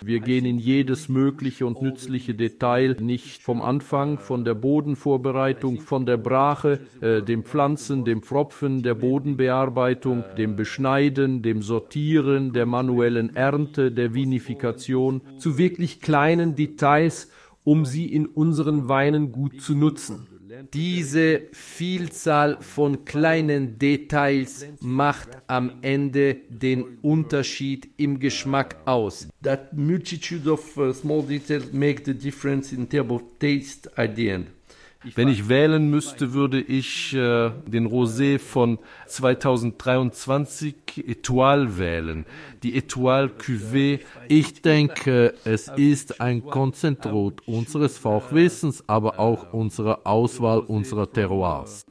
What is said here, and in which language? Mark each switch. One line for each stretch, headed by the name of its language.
German: Wir gehen in jedes mögliche und nützliche Detail, nicht vom Anfang, von der Bodenvorbereitung, von der Brache, dem Pflanzen, dem Pfropfen, der Bodenbearbeitung, dem Beschneiden, dem Sortieren, der manuellen Ernte, der Vinifikation, zu wirklich kleinen Details, um sie in unseren Weinen gut zu nutzen. Diese Vielzahl von kleinen Details macht am Ende den Unterschied im Geschmack aus.
English: That multitude of small details make the difference in terms of taste at the end.
German: Wenn ich wählen müsste, würde ich den Rosé von 2023 Étoile wählen. Die Étoile Cuvée. Ich denke, es ist ein Konzentrat unseres Fachwissens, aber auch unserer Auswahl unserer Terroirs.